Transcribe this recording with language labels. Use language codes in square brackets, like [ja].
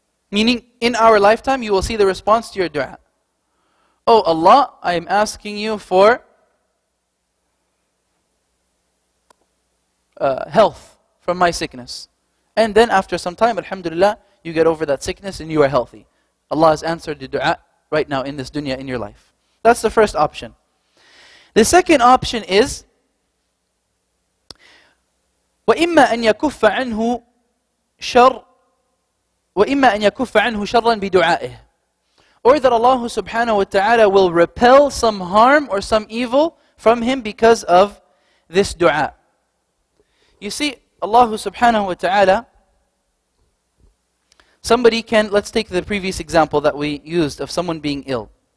[en] Meaning, in our lifetime, you will see the response to your dua. Oh Allah, I am asking you for health from my sickness. And then after some time, alhamdulillah, you get over that sickness and you are healthy. Allah has answered the dua right now in this dunya in your life. That's the first option. The second option is, [ar] وَإِمَّا أَن يَكُفَّ عَنْهُ شَرٌ وَإِمَّا أَن يَكُفَّ عَنْهُ شَرًّا بِدُعَائِهِ. [en] Or that Allah subhanahu wa ta'ala will repel some harm or some evil from him because of this dua. You see, Allah subhanahu wa ta'ala, somebody can, let's take the previous example that we used of someone being ill.